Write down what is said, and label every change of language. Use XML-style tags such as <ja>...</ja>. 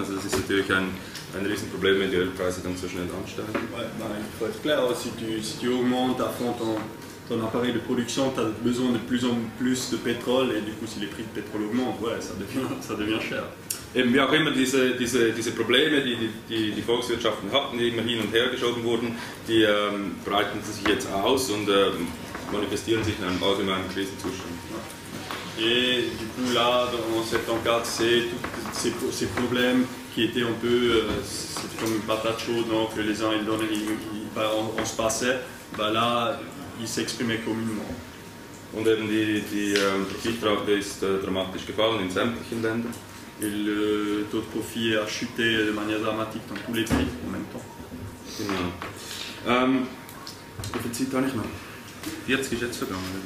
<de>Also das ist natürlich ein Riesenproblem, wenn die Ölpreise dann so schnell ansteigen.</de> <fr>Nein, il faut être clair, si tu augmentes à fond ton appareil de production, tu as besoin de plus en plus de pétrole et du coup si les prix de pétrole augmentent, ouais, ça devient cher.</fr> <de>Eben wie auch immer diese Probleme, die Volkswirtschaften hatten, die immer hin und her geschoben wurden, die breiten sich jetzt aus und manifestieren sich in einem allgemeinen Krisenzustand.</de> <fr>Et du coup là, dans cette enquête, c'est tous ces problèmes qui étaient un peu comme une patate chaude, non, que les uns ils donnaient, on se passait, bah là, ils s'exprimaient communément.</fr> <de>Und eben die Profitrate ist dramatisch gefallen in sämtlichen Ländern.</de> <fr>Et le taux de profit a chuté de manière dramatique dans tous les pays en même temps.</fr> <de>Genau. Wie viel Zeit habe ich noch? 40 ist jetzt vergangen.</de>